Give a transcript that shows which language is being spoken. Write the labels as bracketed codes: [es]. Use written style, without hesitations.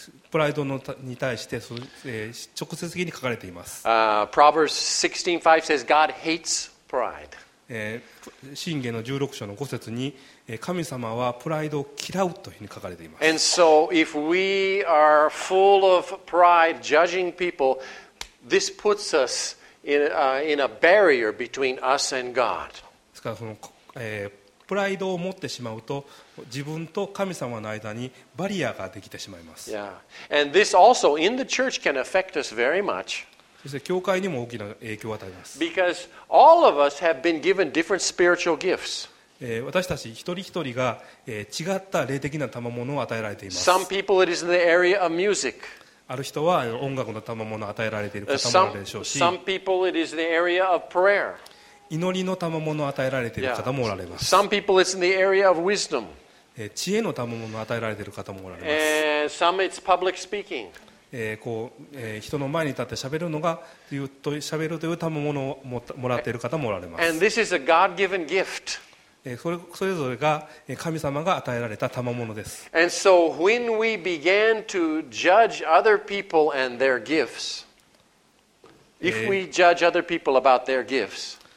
[ja] プライドのに対して、直接的に書かれています。 [en] Proverbs 16:5 says God hates pride. [ja] 箴言の16章の5節に、神様はプライドを嫌うというふうに書かれています。 [en] And so if we are full of pride, judging people, this puts us in a barrier between us and God. [ja] ですからその、プライドを持ってしまうと自分と神様の間にバリアができてしまいます。 Yeah. [en] And this also in the church can affect us very much. [ja] そして教会にも大きな影響を与えます。 [en] Because all of us have been given different spiritual gifts. [ja] 私たち一人一人が違った霊的な賜物を与えられています。 [en] Some people it is in the area of music. [ja] ある人は音楽の賜物を与えられている方もあるでしょうし。 [en] Some people it is the area of prayer. [ja] 祈りの賜物を与えられている方もおられます。 [en] Some people it's in the area of wisdom. [ja] 知恵の賜物を与えられている方もおられます。 [en] And some it's public speaking. [ja] こう、人の前に立って喋るのが喋るという賜物をもらっている方もおられます。 [en] And this is a God-given gift. [ja] それぞれが神様が与えられた賜物です。 [en] And so when we began to judge other people and their gifts, if we judge other people about their gifts,